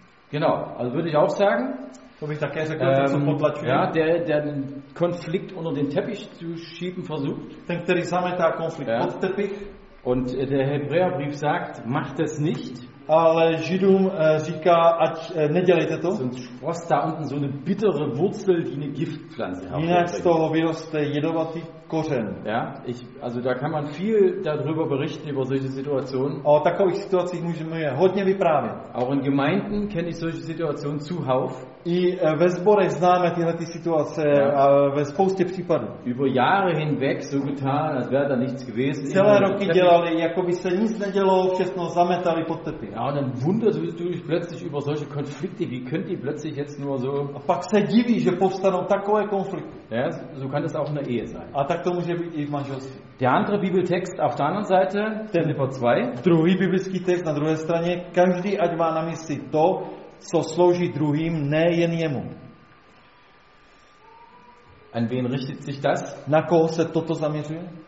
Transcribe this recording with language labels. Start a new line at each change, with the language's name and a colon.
German: Genau, also würde ich auch sagen, der den Konflikt unter den Teppich zu schieben versucht.
Czech: Ten, který zametá konflikt pod teppich.
German: Und der Hebräerbrief sagt, macht es nicht.
Czech: Ale Židům říká, ať nedělejte to.
German: Sonst sprost da unten so eine bittere Wurzel, die eine Giftpflanze hat.
Czech: Jinak z toho vyroste jedovatý kořen.
German: Ja, also da kann man viel darüber berichten, über solche Situationen.
Czech: O takových situacích můžeme hodně vyprávět.
German: Auch in Gemeinden kenne ich solche Situationen zuhauf.
Czech: I ve sborech známe tyhle ty situace a ve spoustě případů.
German: Über Jahre hinweg so getan, als wäre da nichts gewesen.
Czech: Celé roky dělali, jako by se nic nedělo, všechno zametali pod teppich.
German: Ja, und dann wunderst du dich plötzlich über solche Konflikte, wie könnt ihr plötzlich jetzt nur so...
Czech: A pak se diví, že povstanou takové konflikty.
German: Ja, so kann das auch in der Ehe sein.
Czech: A tak to může být i v manželství.
German: Der andere Bibeltext auf der anderen Seite, ten Hebräer 2.
Czech: Druhý biblický text na druhé straně, každý ať má na mysli to, co slouží druhým, ne jen jemu.
German: An wen richtet sich das?
Czech: Na koho se toto zaměřuje?